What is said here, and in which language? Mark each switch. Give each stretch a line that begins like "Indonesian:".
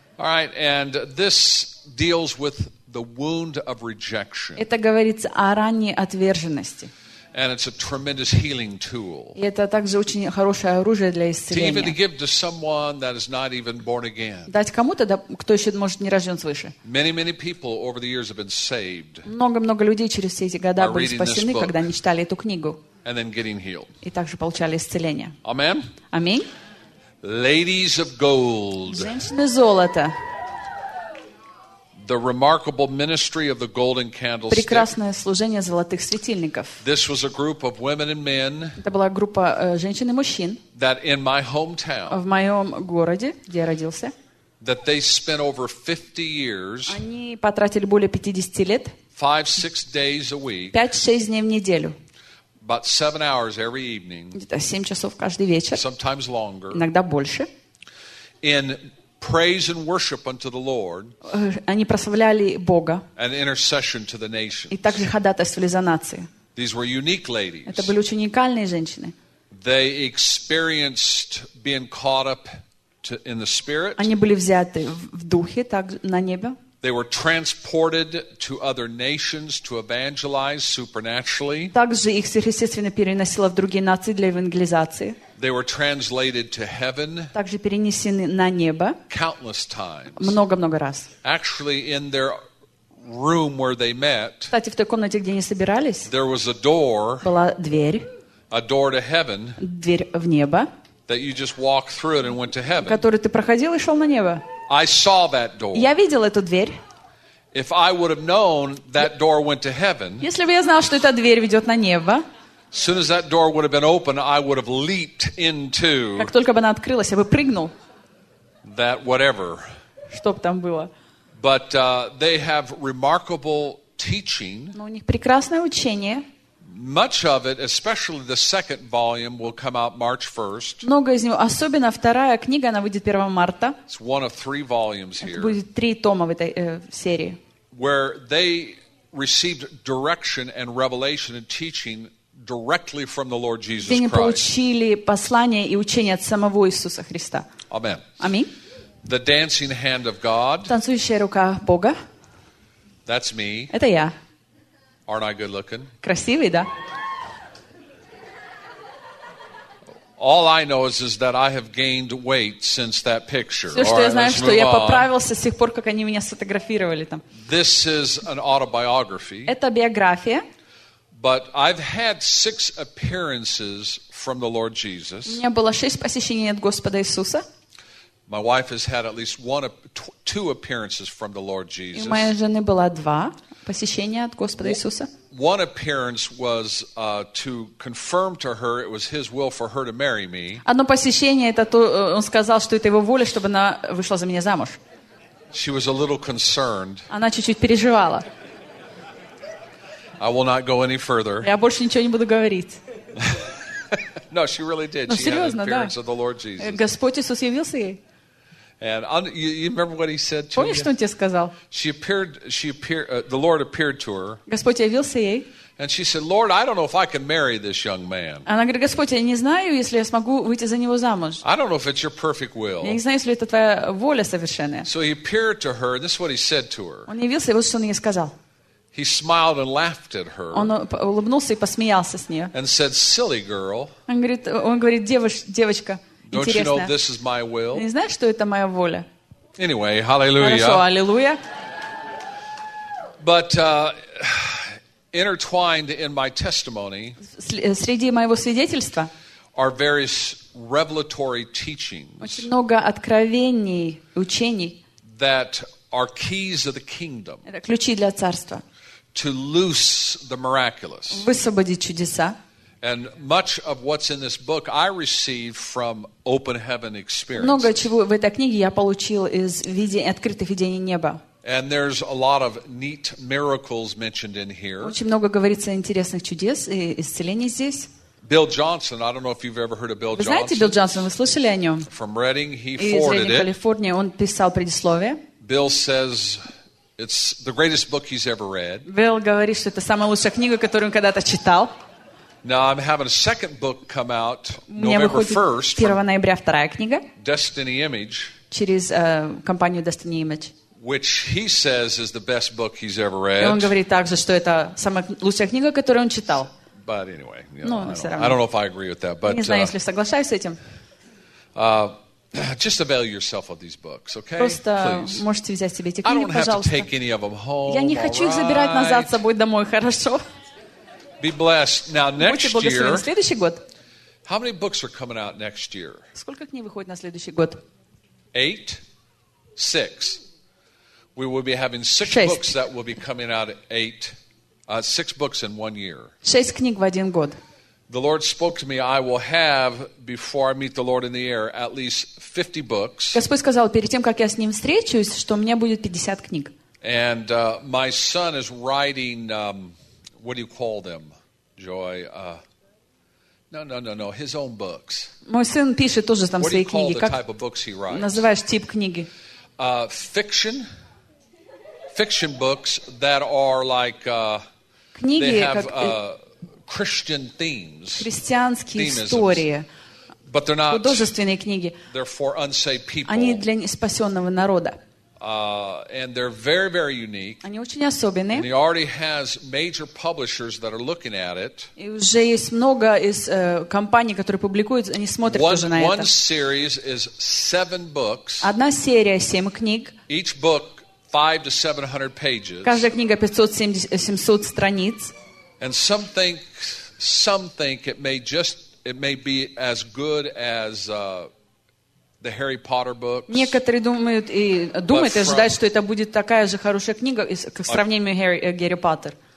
English: All right, and this deals with the wound of rejection.
Russian: Это говорится о ране отверженности.
English: And it's a tremendous healing tool.
Russian: И это также очень хорошее оружие для исцеления.
English: To even give to someone that is not even born again.
Russian: Дать кому-то, кто еще может не рожден свыше.
English: Many, many people over the years have been saved.
Russian: Много-много людей через все эти года были спасены, когда они читали эту книгу.
English: And then getting healed.
Russian: И также получали исцеление.
English: Amen.
Russian: Аминь.
English: Ladies of gold.
Russian: Женщины золота.
English: The remarkable ministry of the golden candlestick.
Russian: Прекрасное служение золотых светильников.
English: This was a group of women and men.
Russian: Это была группа женщин и мужчин.
English: That in my hometown.
Russian: В моем городе, где я родился.
English: That they spent over 50 years.
Russian: Они потратили более 50 лет.
English: 5-6 days a week.
Russian: 5-6 дней в неделю.
English: About 7 hours every evening.
Russian: Где-то 7 часов каждый вечер.
English: Sometimes longer.
Russian: Иногда больше.
English: In praise and worship unto the Lord.
Russian: Они прославляли Бога.
English: And intercession to the nations.
Russian: И также ходатайствовали за нации.
English: These were unique ladies.
Russian: Это были очень уникальные женщины.
English: They experienced being caught up in the spirit.
Russian: Они были взяты в духе, так на небе.
English: They were transported to other nations to evangelize supernaturally.
Russian: Также их сверхъестественно переносило в другие нации для евангелизации.
English: They were translated to heaven.
Russian: Также перенесены на небо.
English: Countless times.
Russian: Много-много раз.
English: Actually, in their room where they met.
Russian: Кстати, в той комнате, где они собирались.
English: There was a door.
Russian: Была дверь.
English: A door to heaven.
Russian: Дверь в небо.
English: That you just walked through it and went to heaven.
Russian: Который ты проходил и шел на небо.
English: I saw that door.
Russian: Я видел эту дверь.
English: If I would have known that door went to heaven,
Russian: если бы я знал, что эта дверь ведет на небо,
English: soon as that door would have been open, I would have leaped into.
Russian: Как только бы она открылась, я бы прыгнул.
English: That whatever.
Russian: Чтоб там было.
English: But they have remarkable teaching.
Russian: Но у них прекрасное учение.
English: Much of it, especially the second volume, will come out March 1st.
Russian: Много из него, особенно вторая книга, она выйдет 1 марта.
English: It's one of three volumes here.
Russian: Это будет три тома в этой серии.
English: Where they received direction and revelation and teaching directly from the Lord Jesus Christ.
Russian: Где они получили послание и учение от самого Иисуса Христа.
English: Amen.
Russian: Аминь.
English: The dancing hand of God.
Russian: Танцующая рука Бога.
English: That's me.
Russian: Это я.
English: Aren't I good looking?
Russian: Красивый, да?
English: All I know is that I have gained weight since that picture.
Russian: Все, что я знаю, что я поправился с тех пор, как они меня сфотографировали там.
English: This is an autobiography.
Russian: Это биография.
English: But I've had six appearances from the Lord Jesus.
Russian: У меня было 6 посещений от Господа Иисуса.
English: My wife has had at least one, two appearances from the Lord Jesus.
Russian: И у моей жены было 2 посещения от Господа Иисуса.
English: One appearance was to confirm to her it was His will for her to marry me.
Russian: Одно посещение это то, он сказал, что это его воля, чтобы она вышла за меня замуж.
English: She was a little concerned.
Russian: Она чуть-чуть переживала.
English: I will not go any further.
Russian: Я больше ничего не буду говорить.
English: No, she really did.
Russian: Но
English: she
Russian: серьезно,
English: had an appearance
Russian: да.
English: of the Lord Jesus.
Russian: Господь Иисус явился ей.
English: And you remember what he said to her?
Russian: Помнишь, что он тебе сказал?
English: The Lord appeared to her.
Russian: Господь явился ей.
English: And she said, "Lord, I don't know if I can marry this young man."
Russian: Она говорит, Господь, я не знаю, если я смогу выйти за него замуж.
English: I don't know if it's your perfect will.
Russian: Я не знаю, если это твоя воля совершенная.
English: So he appeared to her. This is what he said to her.
Russian: Он явился, и вот что он ей сказал.
English: He smiled and laughed at her.
Russian: Он улыбнулся и посмеялся с нее.
English: And said, "Silly girl."
Russian: Он говорит, девочка.
English: Don't you know this is my will?
Russian: Не знаешь, что это моя воля?
English: Anyway, hallelujah.
Russian: Хорошо, аллилуйя.
English: But intertwined in my testimony,
Russian: среди моего свидетельства,
English: are various revelatory teachings.
Russian: Очень много откровений, учений.
English: That are keys of the kingdom.
Russian: Это ключи для царства.
English: To loose the miraculous.
Russian: Высвободить чудеса.
English: And much of what's in this book I received from open heaven experience.
Russian: Много чего в этой книге я получил из открытых видений неба.
English: And there's a lot of neat miracles mentioned in here.
Russian: Очень много говорится интересных чудес и исцелений здесь.
English: Bill Johnson, I don't know if you've ever heard of Bill Johnson.
Russian: Вы знаете Билл Джонсон, вы слышали о нем?
English: From Reading, he forwarded it.
Russian: Из Калифорнии, он писал предисловие.
English: Bill says it's the greatest book he's ever read.
Russian: Билл говорит, что это самая лучшая книга, которую он когда-то читал.
English: Now I'm having a second book come out November 1st.
Russian: 1 ноября вторая книга.
English: Destiny Image.
Russian: Через компанию Destiny Image.
English: Which he says is the best book he's ever read.
Russian: И он говорит также, что это самая лучшая книга, которую он читал.
English: But anyway, I don't know if I agree with that, but
Russian: не знаю, если соглашаюсь с этим.
English: Just avail yourself of these books, okay?
Russian: Просто можете взять себе эти книги, пожалуйста.
English: I don't have to take any of them home.
Russian: Я не хочу их забирать назад с собой домой, хорошо?
English: Be blessed. Now next year.
Russian: Будьте следующий год.
English: How many books are coming out next year?
Russian: Сколько книг выходит на следующий год?
English: 8? 6. We will be having 6 books that will be coming out 6 books in 1 year.
Russian: 6 книг в один год.
English: The Lord spoke to me, I will have, before I meet the Lord in the air, at least 50 books.
Russian: Господь сказал, перед тем, как я с Ним встречусь, что у меня будет 50 книг.
English: And my son is writing, what do you call them, Joy? No, his own books.
Russian: Мой сын пишет тоже там свои книги.
English: What do you call the type of books he writes?
Russian: Называешь тип книги?
English: Fiction. Fiction books that are like,
Russian: книги,
English: they have...
Russian: Как...
English: Christian themes,
Russian: христианские истории,
English: but they're not,
Russian: художественные книги.
English: They're for unsaved people.
Russian: Они для неспасенного народа.
English: And they're very, very unique.
Russian: Они очень особенные.
English: And he already has major publishers that are looking at it.
Russian: И уже есть много из компаний, которые публикуют, они смотрят уже на это.
English: One series is 7 books.
Russian: Одна серия 7 книг.
English: Each book 500 to 700 pages.
Russian: Каждая книга 500-700 страниц.
English: And some think it may be as good as the Harry Potter books.
Russian: Некоторые думают и думают и ожидают, что это будет такая же хорошая книга в сравнении Гарри Поттер.